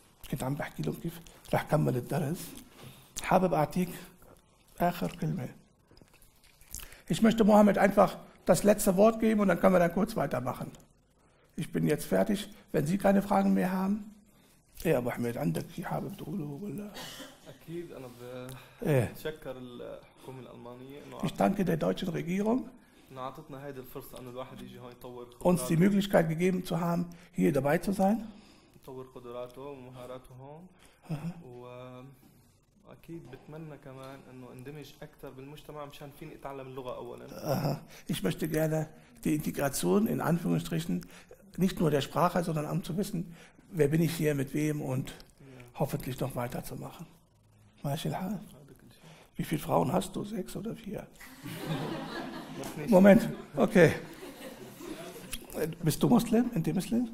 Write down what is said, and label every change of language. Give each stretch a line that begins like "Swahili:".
Arabic: كنتم بحكي لهم كيف راح كمل الدرس حابب اعطيك اخر كلمه
German: ich möchte Mohammed einfach das letzte Wort geben und dann können wir dann kurz weitermachen ich bin jetzt fertig wenn sie keine Fragen mehr haben
Arabic: ايه ابو حميد عندك شيء حابب تقوله ولا اكيد انا بشكر الحكومه الالمانيه
German: ich danke der deutschen Regierung
Arabic: اعطتنا هذه الفرصه انه الواحد يجي هون يطور
German: uns die Möglichkeit gegeben zu haben hier dabei zu sein
Arabic: تطور قدراته ومهاراته هون واكيد بتمنى كمان انه اندمج اكثر بالمجتمع مشان فيني اتعلم اللغه اولا
German: ich möchte gerne die Integration in Anführungsstrichen nicht nur der Sprache sondern um zu wissen wer bin ich hier mit wem und hoffentlich noch weiter zu machen
Arabic: ماشي الحال
German: wie viele Frauen hast du 6 oder 4 Moment okay bist du Muslim in dem Islam